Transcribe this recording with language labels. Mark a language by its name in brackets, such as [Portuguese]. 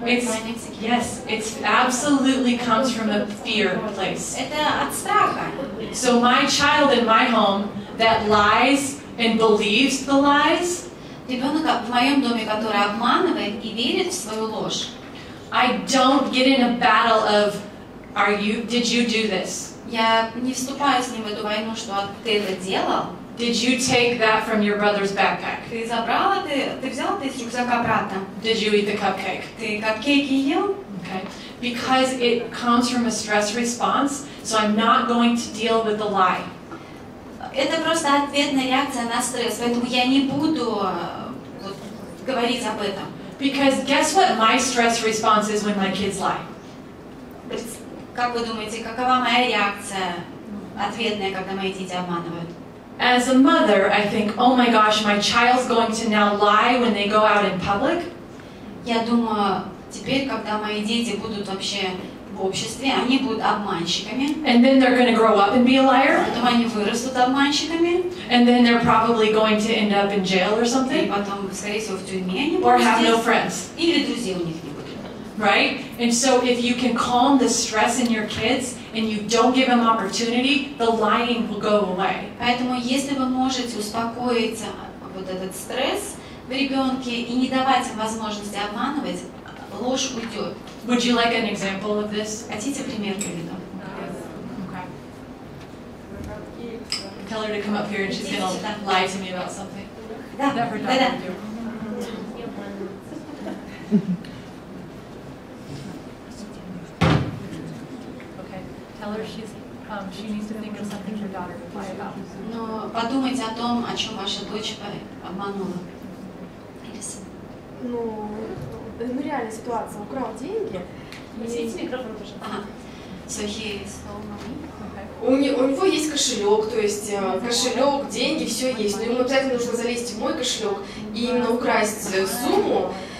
[English] It's, yes, it absolutely comes from a fear place. [Russian] Это от страха. [English] So my child in my home that lies and believes the lies. [Russian] Ребенок в моем доме, который обманывает и верит в свою ложь. [English] I don't get in a battle of, did you do this? [Russian] Я не вступаю с ним в эту войну, что ты это делал. [English] Did you take that from your brother's backpack? [Russian] Ты забрал это, ты взял это из рюкзака брата. [English] Did you eat the cupcake? [Russian] Ты капкейки ел? [English] Okay. Because it comes from a stress response, so I'm not going to deal with the lie. [Russian] Это просто ответная реакция на стресс, поэтому я не буду вот, говорить об этом. [English] Because guess what my stress response is when my kids lie? [Russian] Как вы думаете, какова моя реакция ответная, когда мои дети обманывают? [English] As a mother, I think, oh my gosh, my child's going to now lie when they go out in public? [Russian] Я думаю, теперь, когда мои дети будут вообще в обществе, они будут обманщиками. [English] And then they're going to grow up and be a liar? [Russian] Потом они вырастут обманщиками. [English] And then they're probably going to end up in jail or something? [Russian] И потом, скорее всего, в тюрьме они будут. [English] Or have no friends. [Russian] Или друзей у них не будет. [English] Right? And so if you can calm the stress in your kids and you don't give them opportunity, the lying will go away. [Russian] Поэтому если вы можете успокоить вот этот стресс в ребенке и не давать им возможности обманывать, ложь уйдет. [English] Would you like an example of this? [Russian] Хотите пример приведу? [English] Okay. Tell her to come up here and she's gonna lie to me about something. [Russian] Да. [English] Okay. Tell her she's she needs to think of something her daughter would lie about. [Russian] Но подумайте о том, о чем ваша дочь обманула. Ну. Ну, реальная ситуация. Украл деньги. Возьмите микрофон, пожалуйста. У него есть кошелек, то есть кошелек, деньги, все есть. Но ему обязательно нужно залезть в мой кошелек и именно украсть сумму.